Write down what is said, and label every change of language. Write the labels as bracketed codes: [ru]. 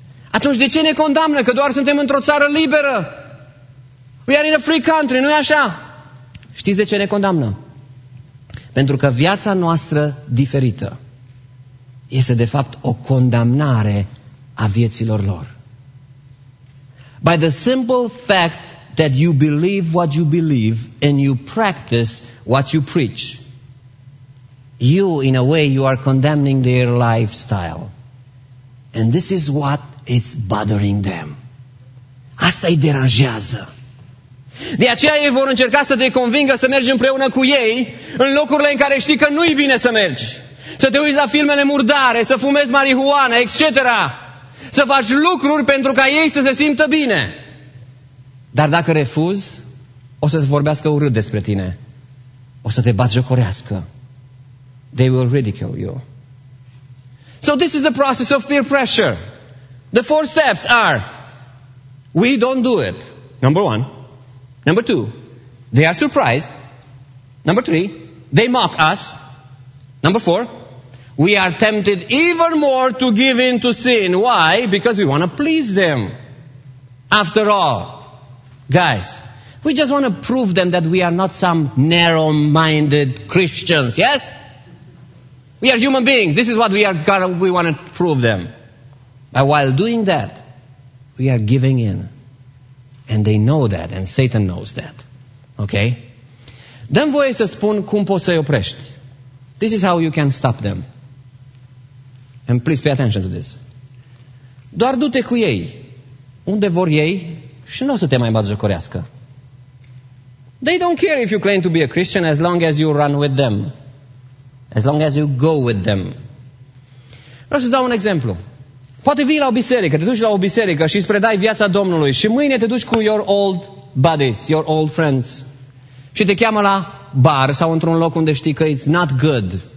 [ro] Atunci de ce ne condamnă? Că doar suntem într-o țară liberă. [en] We are in a free country, [ro] nu-i așa? Știți de ce ne condamnă? Pentru că viața noastră diferită este de fapt o condamnare a vieților lor. [en] By the simple fact that you believe what you believe and you practice what you preach, you, in a way, you are condemning their lifestyle. And this is what is bothering them. [ro] Asta îi deranjează. De aceea ei vor încerca să te convingă să mergi împreună cu ei în locurile în care știi că nu-i bine să mergi. Să te uiți la filmele murdare, să fumezi marihuana, etc. Să faci lucruri pentru ca ei să se simtă bine. Dar dacă refuzi, o să vorbească urât despre tine. O să te batjocorească. [en] They will ridicule you. So this is the process of peer pressure. The four steps are: we don't do it. Number one. Number two, they are surprised. Number three, they mock us. Number four, we are tempted even more to give in to sin. Why? Because we want to please them. After all, guys, we just want to prove them that we are not some narrow-minded Christians. Yes? We are human beings. This is what we want to prove them. But while doing that, we are giving in. And they know that, and Satan knows that. Okay? [ro] Dă-mi voie să spun cum poți să-i oprești. [en] This is how you can stop them. And please pay attention to this. [ro] Doar du-te cu ei unde vor ei și nu o să te mai batjocorească. [en] They don't care if you claim to be a Christian as long as you run with them. As long as you go with them. [ro] Vreau să-ți dau un exemplu. Poate vii la o biserică, te duci la o biserică și îți predai viața Domnului și mâine te duci cu [en] your old buddies, your old friends [ro] și te cheamă la bar sau într-un loc unde știi că [en] it's not good.